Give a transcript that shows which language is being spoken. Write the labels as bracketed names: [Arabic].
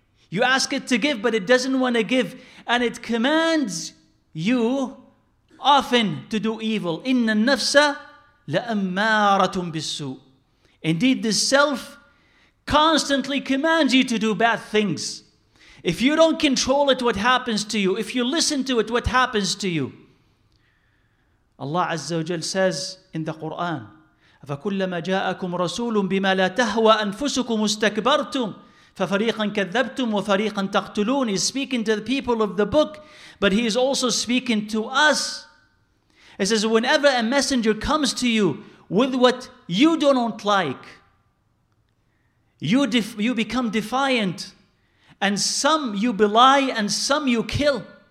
[English] You ask it to give, but it doesn't want to give. And it commands you often to do evil. [Arabic] إِنَّ النَّفْسَ لَأَمَّارَةٌ بِالسُّءِ. [English] Indeed, the self constantly commands you to do bad things. If you don't control it, what happens to you? If you listen to it, what happens to you? Allah Azza wa Jal says in the Quran, [Arabic] فَكُلَّمَا جَاءَكُمْ رَسُولٌ بِمَا لَا تَهْوَى أَنفُسُكُمُ اسْتَكْبَرْتُمْ فَفَرِيقًا كَذَّبْتُمْ وَفَرِيقًا تَقْتُلُونَ. [English] He's speaking to the people of the book, but he is also speaking to us. He says, whenever a messenger comes to you with what you don't like, you become defiant, and some you belie and some you kill.